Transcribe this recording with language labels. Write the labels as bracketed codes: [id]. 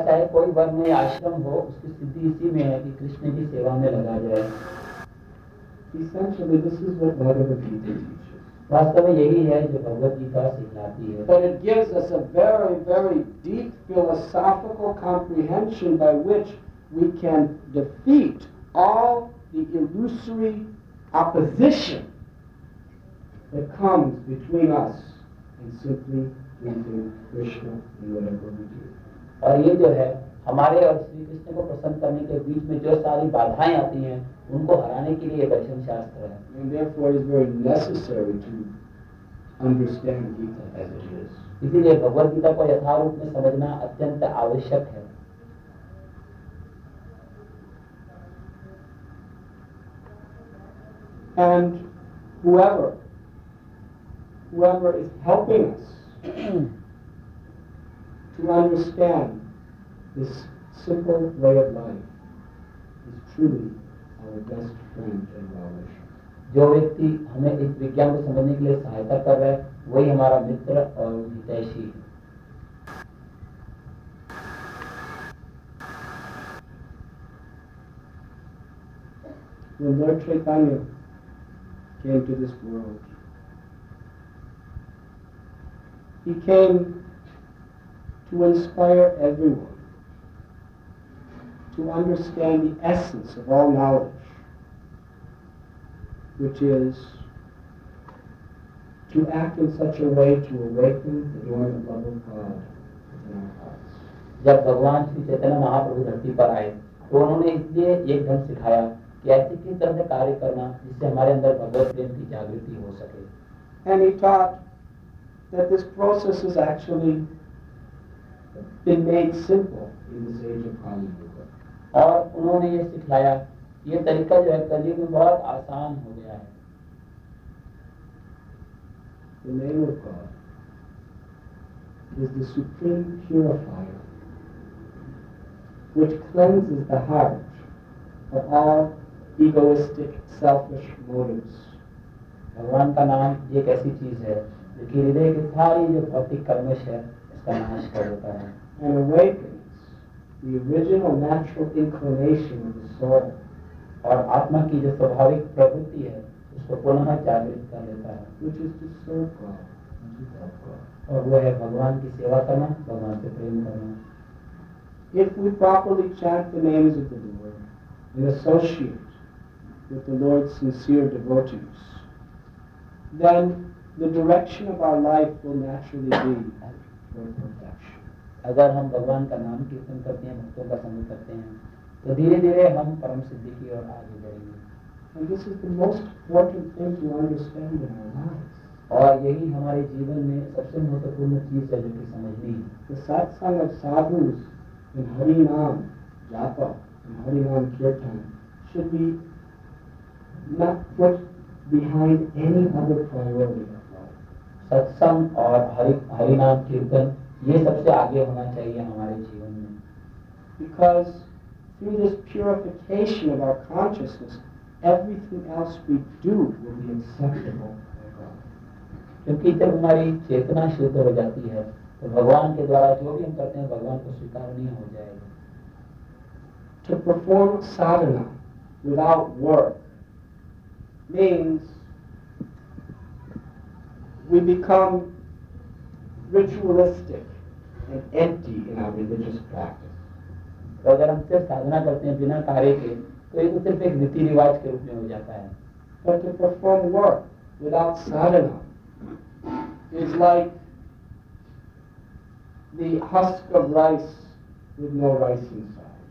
[hi] चाहे कोई वर्ण या आश्रम हो उसकी स्थिति इसी में है कि कृष्ण की सेवा में लगा जाए। [en] Essentially, this is what Bhagavad Gita teaches. [hi] वास्तव में यही है जो भगवत गीता सिखाती है। [en] But it gives us a very, very deep philosophical comprehension by which we can defeat all the illusory opposition that comes between us and simply pleasing Krishna in whatever we do. [hi] और ये जो है हमारे और श्री कृष्ण को प्रसन्न करने के बीच में जो सारी बाधाएं आती हैं उनको हराने के लिए दर्शन शास्त्र है। [en] And therefore it is very necessary to understand Gita as it is. [hi] इसीलिए भगवत गीता को यथारूप में समझना अत्यंत आवश्यक है। [en] And whoever is helping us to understand this simple way of life is truly our best friend and well-wisher. [hi] जो व्यक्ति हमें इस विज्ञान को समझने के लिए सहायता कर रहा है वही हमारा मित्र और हितैषी। [en] When Lord Chaitanya came to this world, he came to inspire everyone to understand the essence of all knowledge, which is to act in such a way to awaken the dormant love of God in our hearts. [hi] जब भगवान श्री चैतन्य महाप्रभु धरती पर आए तो उन्होंने इसलिए एक ढंग सिखाया कि ऐसे किस तरह से कार्य करना जिससे हमारे अंदर भगवत प्रेम की जागृति हो सके। [en] And he taught that this process has actually been made simple in this age of Kali Yuga. [hi] और उन्होंने ये सिखलाया ये तरीका जो है कलयुग में बहुत आसान हो गया है। [en] The name of God is the supreme purifier which cleanses the heart of all egoistic selfish motives. [hi] भगवान का नाम एक ऐसी चीज है जो कि हृदय के सारी जो भौतिक कर्मश है इसका नाश कर देता है। [en] And awaken the original natural inclination of the soul, [hi] और आत्मा की जो स्वाभाविक प्रवृत्ति है उसको पुनः जागृत कर लेता है। [en] Which is to serve God, to love God. [hi] और वो है भगवान की सेवा करना, भगवान से प्रेम करना। [en] If we properly chant the names of the Lord and associate with the Lord's sincere devotees, then the direction of our life will naturally be toward perfection. [hi] अगर हम भगवान का नाम कीर्तन करते हैं, भक्तों का संग करते हैं, तो धीरे-धीरे हम परम सिद्धि की ओर आगे बढ़ेंगे. [en] And this is the most important thing to understand in our lives. [hi] और यही हमारे जीवन में सबसे महत्वपूर्ण चीज है जो कि समझनी है. [en] The satsang of sadhus in Hari Naam japa and Hari Naam kirtan should be not put behind any other priority of life. [hi] Satsang और Hari Naam kirtan ये सबसे आगे होना चाहिए हमारे जीवन में. [en] Because through this purification of our consciousness, everything else we do will be acceptable. [hi] क्योंकि जब हमारी चेतना शुद्ध हो जाती है तो भगवान के द्वारा जो भी हम करते हैं भगवान को स्वीकारनीय हो जाएगा. [en] To perform sadhana without work means we become ritualistic and empty in our religious practice. [hi] तो अगर हम सिर्फ साधना करते हैं बिना कार्य के तो ये सिर्फ एक रीति रिवाज के रूप में हो जाता है. [en] But to perform work without sadhana is like the husk of rice with no rice inside.